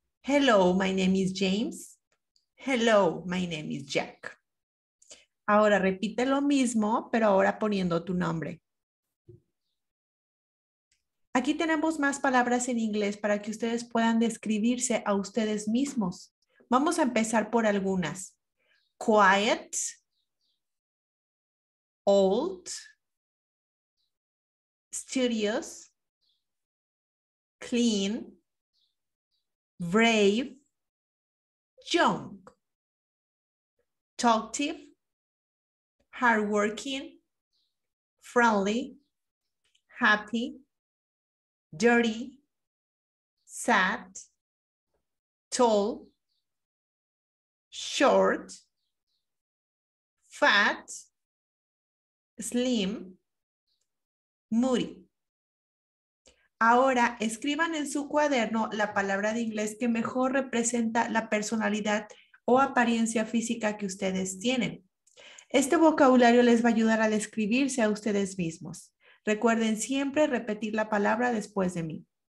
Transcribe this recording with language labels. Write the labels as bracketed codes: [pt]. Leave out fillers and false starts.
[en] Hello, my name is James. Hello, my name is Jack. [es] Ahora repite lo mismo, pero ahora poniendo tu nombre. Aquí tenemos más palabras en inglés para que ustedes puedan describirse a ustedes mismos. Vamos a empezar por algunas. [en] Quiet, old, studious, clean, brave, young. Talkative, hardworking, friendly, happy, dirty, sad, tall, short, fat, slim, moody. [es] Ahora escriban en su cuaderno la palabra de inglés que mejor representa la personalidad o apariencia física que ustedes tienen. Este vocabulario les va a ayudar a describirse a ustedes mismos. Recuerden siempre repetir la palabra después de mí.